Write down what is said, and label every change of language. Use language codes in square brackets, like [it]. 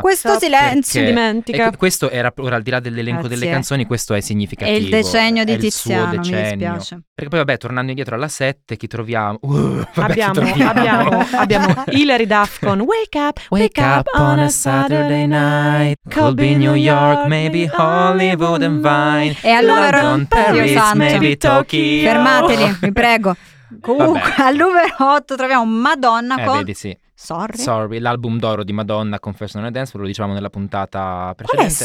[it] Questo [en] Stop [it] silenzio dimentica. Questo era, ora al di là dell'elenco delle canzoni, questo è significativo. È il decennio di è Tiziano, il suo decennio. Mi dispiace. Perché poi vabbè, tornando indietro alla 7, chi troviamo? Abbiamo Hilary Duff con Wake up [en] on a Saturday night. Could be New York, maybe Hollywood and Vine. [it] E allora, [en] London, Paris, [it] Dio santo, [en] maybe Tokyo. [it] Fermateli, vi prego. Comunque, al numero 8 troviamo Madonna con... Vedi, sì. [en] Sorry, [it] l'album d'oro di Madonna, Confessions on a Dance, lo dicevamo nella puntata precedente.